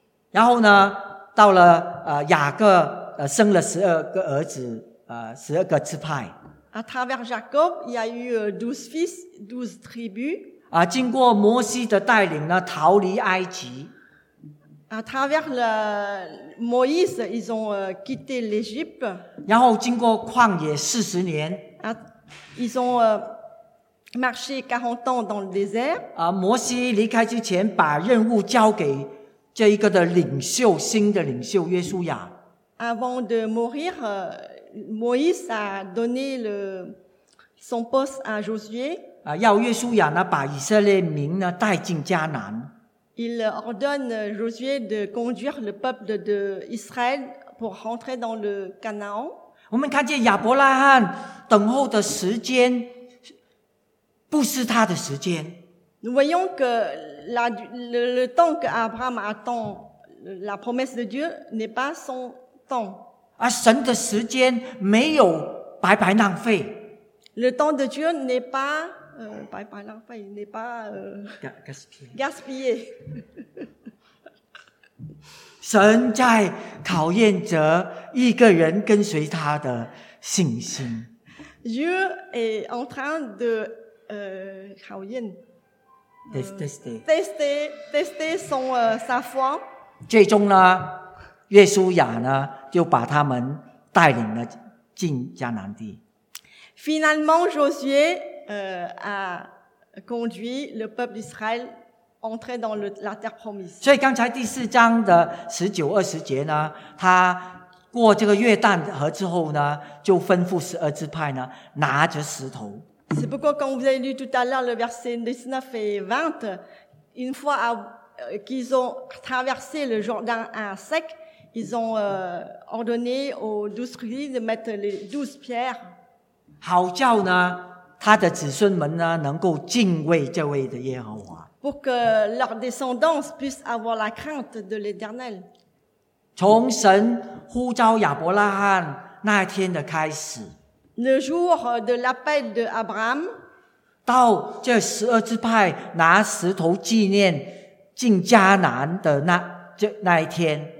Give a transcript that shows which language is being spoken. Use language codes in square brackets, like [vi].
[zh] 然后呢，到了雅各生了十二个儿子。十二个支派。 [fr] À travers Jacob, il y a eu 12 fils, 12 tribus. [zh] 经过摩西的带领呢，逃离埃及。 [fr] À travers le Moïse, ils ont quitté l'Égypte. [zh] 然后经过旷野40年。 [fr] À, ils ont marché 40 ans dans le désert. [zh] 啊，摩西离开之前，把任务交给这一个的领袖，新的领袖约书亚。 [fr] Avant de mourir, Moïse a donné le son poste à Josué. [zh] 啊，要约书亚呢，把以色列民呢带进迦南。 [fr] Il ordonne Josué de conduire le peuple d'Israël pour rentrer dans le Canaan. [zh] 我们看见亚伯拉罕等候的时间不是他的时间。 [fr] Nous voyons que le temps que Abraham attend la promesse de Dieu n'est pas son temps. [zh] 啊，神的时间没有白白浪费。 [fr] Le temps de Dieu n'est pas [zh] 白白浪费，你把 [fr] gaspillé。 [zh] 神在考验着一个人跟随他的信心。 [fr] Dieu est en train de [zh] 考验 [fr] tester son sa foi。 [zh] 最终呢，约书亚呢就把他们带领了进迦南地。 [fr] Finalement, Josué a conduit le peuple d'Israël entrer dans la terre promise. [zh] 所以刚才第四章的十九二十节呢，他过这个约旦河之后呢，就吩咐十二支派呢拿着石头。 [fr] C'est pourquoi quand vous avez lu tout à l'heure le verset 19 et 20, une fois qu'ils ont traversé le Jourdain à sec, ils ont ordonné aux 12 tribus de mettre les 12 pierres. [zh] 好叫呢他的子孙们呢能够敬畏这位的耶和华。 [fr] Pour que leur descendance puisse avoir la crainte de l'éternel. [zh] 从神呼召亚伯拉罕那天的开始。 [fr] Le jour de l'appel de Abraham. [zh] 到这十二支派拿石头纪念进迦南的那一天。